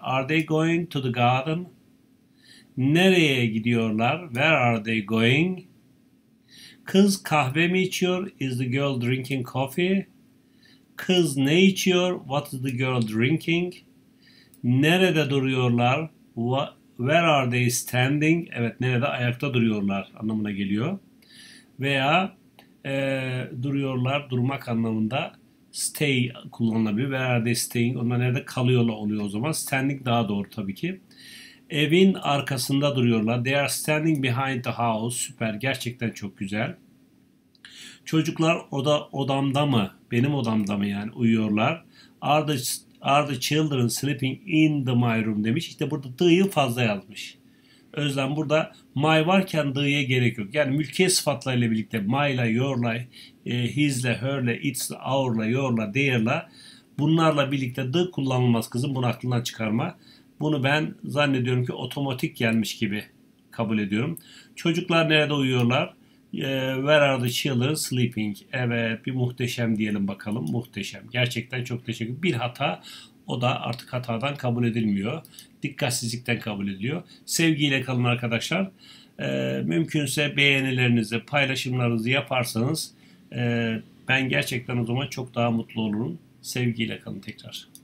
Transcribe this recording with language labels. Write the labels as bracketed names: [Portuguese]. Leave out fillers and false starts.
[English] Are they going to the garden? [Turkish] Nereye gidiyorlar? [English] Where are they going? [Turkish] Kız kahve mi içiyor? [English] Is the girl drinking coffee? [Turkish] Kız ne içiyor? [English] What is the girl drinking? [Turkish] Nerede duruyorlar? [English] Where are they standing? [Turkish] Evet, nerede ayakta duruyorlar anlamına geliyor. Veya duruyorlar, durmak anlamında. Stay kullanılabilir. [English] Where are they staying? [Turkish] Onlar nerede kalıyorlar oluyor o zaman. Standing daha doğru tabii ki. Evin arkasında duruyorlar. [English] They are standing behind the house. [Turkish] Süper. Gerçekten çok güzel. Çocuklar odamda mı? Benim odamda mı yani? Uyuyorlar. [English] Are the children sleeping in the my room [Turkish] demiş. İşte burada the'yı fazla yazmış. Özlem burada my varken the'ye gerek yok. Yani mülkiyet sıfatlarıyla birlikte my'la, your'la, his'le, her'le, it's'le, our'la, your'la, their'la bunlarla birlikte the kullanılmaz kızım. Bunu aklından çıkarma. Bunu ben zannediyorum ki otomatik gelmiş gibi kabul ediyorum. Çocuklar nerede uyuyorlar? [English] Where are the children sleeping? [Turkish] Evet, bir muhteşem diyelim bakalım. Muhteşem. Gerçekten çok teşekkür ederim. Bir hata. O da artık hatadan kabul edilmiyor. Dikkatsizlikten kabul ediliyor. Sevgiyle kalın arkadaşlar. Mümkünse beğenilerinizi, paylaşımlarınızı yaparsanız ben gerçekten o zaman çok daha mutlu olurum. Sevgiyle kalın tekrar.